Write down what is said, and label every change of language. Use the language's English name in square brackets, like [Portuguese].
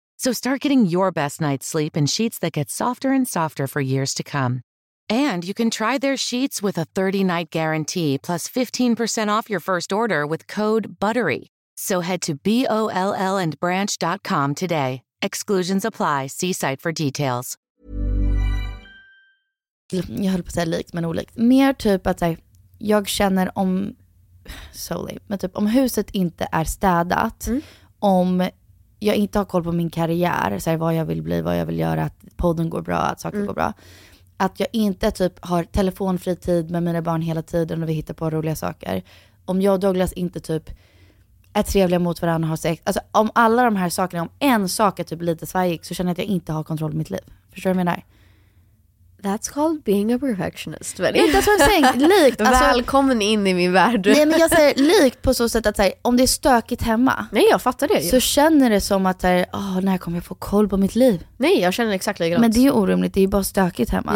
[English] So start getting your best night's sleep in sheets that get softer and softer for years to come. And you can try their sheets with a 30-night guarantee, plus 15% off your first order with code BUTTERY. So head to bollandbranch.com today. Exclusions apply. See site for details. [Swedish] Jag höll på att säga likt men olikt. Mer typ att här, jag känner om solely, men typ om huset inte är städat, om jag inte har koll på min karriär, så här, vad jag vill bli, vad jag vill göra, att podden går bra, att saker går bra, att jag inte typ har telefonfri tid med mina barn hela tiden och vi hittar på roliga saker, om jag och Douglas inte typ är trevliga mot varandra, har sex, alltså om alla de här sakerna, om en sak är typ lite svajig, så känner jag att jag inte har kontroll på mitt liv. Förstår du vad jag menar? [English] That's called being a perfectionist. That's what I'm saying. [Swedish] Likt, alltså, välkommen in i min värld. Nej, men jag säger likt på så sätt att här, om det är stökigt hemma. Nej, jag fattar det. Så känner det som att här, åh, när kommer jag få koll på mitt liv? Nej, jag känner exakt likadant. Men det är ju orimligt, det är ju bara stökigt hemma.